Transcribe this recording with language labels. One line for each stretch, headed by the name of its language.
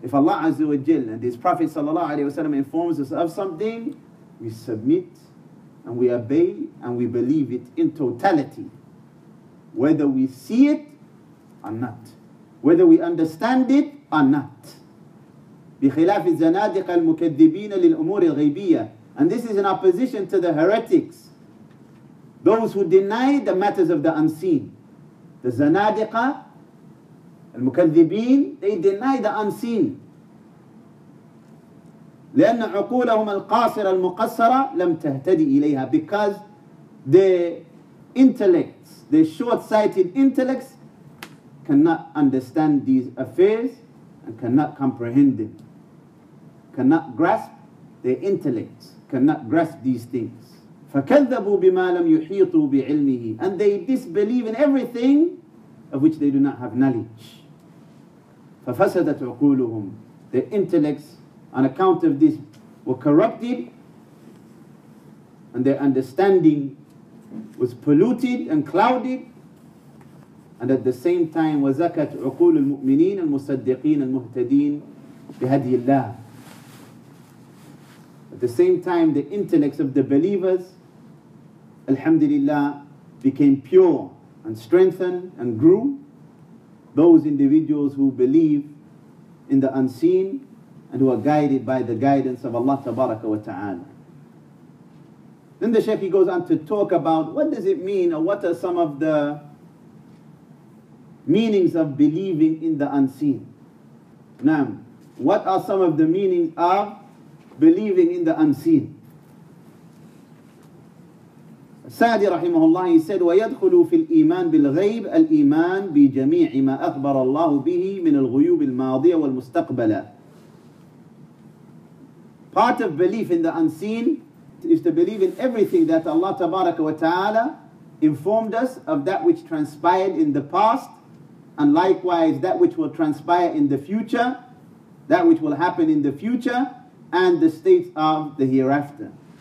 English: If Allah Azza wa Jal and His Prophet Sallallahu Alaihi Wasallam informs us of something, we submit and we obey and we believe it in totality, whether we see it or not, whether we understand it or not.
Arabic: بخلاف الزنادق المكذبين للأمور الغيبية.
English: And this is in opposition to the heretics, those who deny the matters of the unseen. The zanadiqa, al-mukadhibin, they deny the unseen.
Arabic: لأن عقولهم القاصرة المقصرة لم تهتدي إليها,
English: because their intellects, their short-sighted intellects, cannot understand these affairs and cannot comprehend them, cannot grasp their intellects. Cannot grasp these things.
Arabic: فَكَذَّبُوا بِمَا لَمْ يُحِيطُوا بِعِلْمِهِ.
English: And they disbelieve in everything of which they do not have knowledge.
Arabic: فَفَسَدَتْ عُقُولُهُمْ.
English: Their intellects on account of this were corrupted and their understanding was polluted and clouded. And at the same time,
Arabic: وَزَكَتْ عُقُولُ الْمُؤْمِنِينَ الْمُصَدِّقِينَ الْمُهْتَدِينَ بِهَدْيِ اللَّهِ.
English: At the same time, the intellects of the believers, alhamdulillah, became pure and strengthened and grew. Those individuals who believe in the unseen and who are guided by the guidance of Allah tabaraka wa ta'ala. Then the Shaykh, he goes on to talk about what does it mean or what are some of the meanings of believing in the unseen. Naam, what are some of the meanings of believing in the unseen? Sa'di rahimahullah, he said,
Arabic: وَيَدْخُلُوا فِي الْإِيمَانِ بِالْغَيْبِ الْإِيمَانِ بِجَمِيعِ مَا أَخْبَرَ اللَّهُ بِهِ مِنَ الْغُيُوبِ الْمَاضِيَةِ وَالْمُسْتَقْبَلَةِ.
English: Part of belief in the unseen is to believe in everything that Allah tabaraka wa ta'ala informed us of, that which transpired in the past, and likewise that which will transpire in the future, that which will happen in the future, and the states of the hereafter.